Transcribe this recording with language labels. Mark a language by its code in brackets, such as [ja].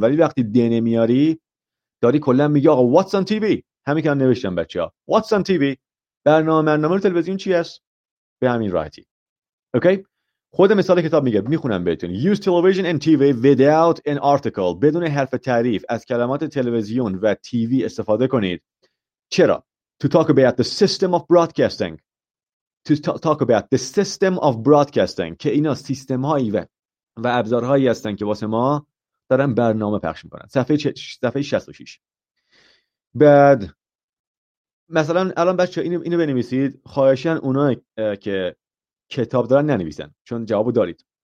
[fa] ولی وقتی ده نمیاری، داری کلا میگه آقا [en] what's on TV، [fa] همین که نوشتم بچه ها، what's on TV، برنامه تلویزیون چی است؟ به همین راحتی. اوکی، خود مثال کتاب میگه، میخونم بهتون. [en] Use television and TV without an article. [fa] بدون حرف تعریف از کلمات تلویزیون و تیوی استفاده کنید. چرا؟ [en] To talk about the system of broadcasting. To talk about the system of broadcasting. [fa] که اینا سیستم هایی و ابزارهایی هستن که واسه ما دارن برنامه پخش میکنن. صفحه 66. بعد مثلا الان بچه اینو بنویسید. خواهشن اونای که کتاب دارن ننویسن چون جوابو دارید.